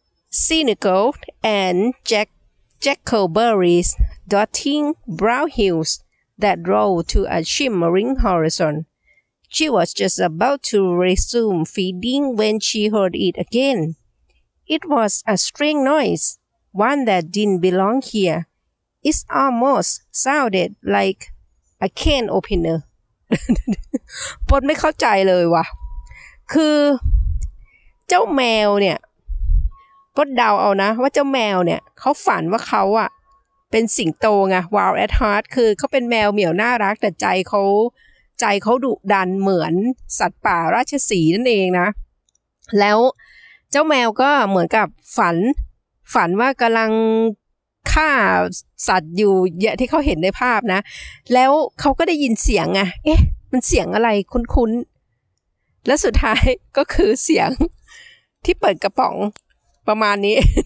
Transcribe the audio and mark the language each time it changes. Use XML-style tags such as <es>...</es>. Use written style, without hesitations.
<en>Cynical and Jackalberries dotting brown hills that rolled to a shimmering horizon She was just about to resume feeding when she heard it again It was a strange noise, one that didn't belong here. It almost sounded like a can opener.</en> <th>ปดไม่เข้าใจเลยว่ะคือเจ้าแมวเนี่ยปดเดาเอานะว่าเจ้าแมวเนี่ยเขาฝันว่าเขาอะเป็นสิงโตไง</th> <en>Wild at heart</en> <th>คือเขาเป็นแมวเหมียวน่ารักแต่ใจเข าดุดันเหมือนสัตว์ป่าราชสีห์นั่นเองนะแล้วเจ้าแมวก็เหมือนกับฝันว่ากำลังฆ่าสัตว์อยู่ที่เขาเห็นในภาพนะแล้วเขาก็ได้ยินเสียงอ่ะเอ๊ะมันเสียงอะไรคุ้นๆและสุดท้ายก็คือเสียงที่เปิดกระป๋องประมาณนี้</th>